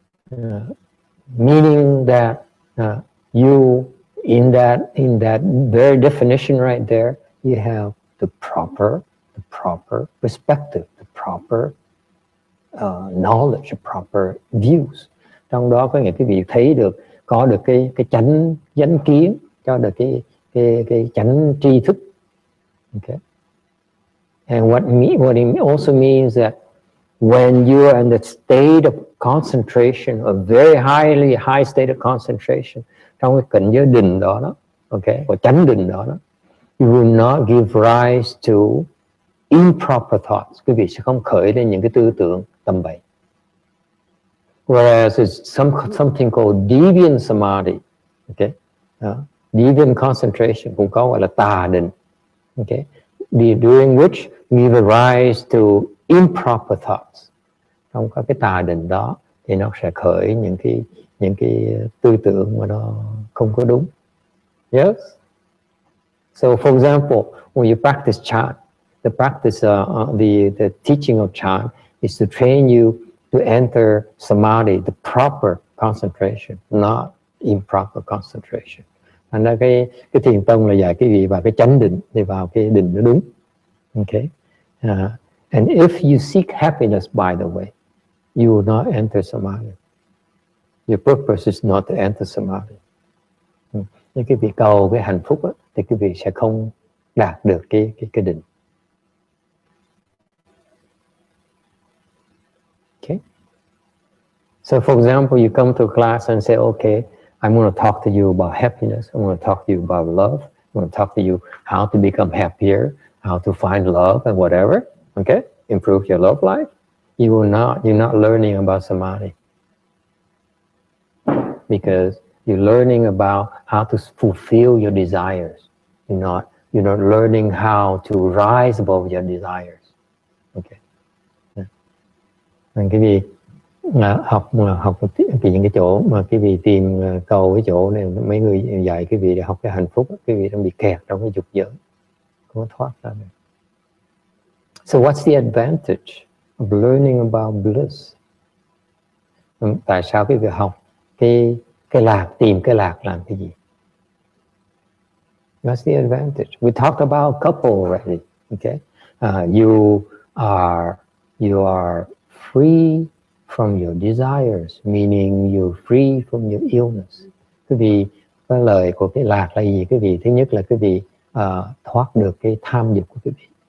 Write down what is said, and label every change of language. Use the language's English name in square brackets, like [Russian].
[English] Meaning that you in that very definition right there, you have the proper perspective, the proper knowledge, the proper views. [Vietnamese] Trong đó có nghĩa quý vị thấy được, có được cái chánh chánh kiến, cho được cái chánh tri thức. [English] Okay. And what it also means that when you are in the state of concentration, a very highly high state of concentration, [Vietnamese] trong cái cảnh giới định đó đó, [English] okay, và chánh định đó đó, you will not give rise to improper thoughts. [Vietnamese] Quý vị sẽ không khởi lên những cái tư tưởng tầm bậy. [English] Whereas it's something called deviant samadhi, okay, deviant concentration [Vietnamese] cũng có gọi là tà định, [English] okay, during which give rise to improper thoughts. [Vietnamese] Trong các cái tà định đó thì nó sẽ khởi những cái tư tưởng mà nó không có đúng. [English] Yes. So for example, when you practice chant, the practice the teaching of chant is to train you to enter samadhi, the proper concentration, not improper concentration. [Vietnamese] Thành ra cái thiền tông là dạy cái gì vào cái chánh định thì vào cái định nó đúng. [English] Okay. And if you seek happiness, by the way, you will not enter samadhi. Your purpose is not to enter samadhi. [Vietnamese] Nếu quý vị cầu cái hạnh phúc đó, thì quý vị sẽ không đạt được cái định. [English] Okay. So for example, you come to a class and say, okay, I'm going to talk to you about happiness. I'm going to talk to you about love. I'm going to talk to you how to become happier, how to find love and whatever. Okay. Improve your love life. You're not learning about samadhi. Because you're learning about how to fulfill your desires. You're not learning how to rise above your desires. Okay. [Vietnamese] Yeah. Quý vị học vì những cái chỗ mà quý vị tìm cầu cái chỗ này, mấy người dạy quý vị để học cái hạnh phúc, quý vị đang bị kẹt trong cái dục dưỡng, không có thoát ra được. [English] So what's the advantage of learning about bliss? [Vietnamese] tại sao quý vị học cái lạc, tìm cái lạc làm cái gì? [English] That's the advantage. We talked about a couple already. Okay, you are free from your desires, meaning you're free from your illness. [Vietnamese] Quý vị, cái lời của cái lạc là gì? Quý vị, thứ nhất là quý vị thoát được cái tham dục của quý vị.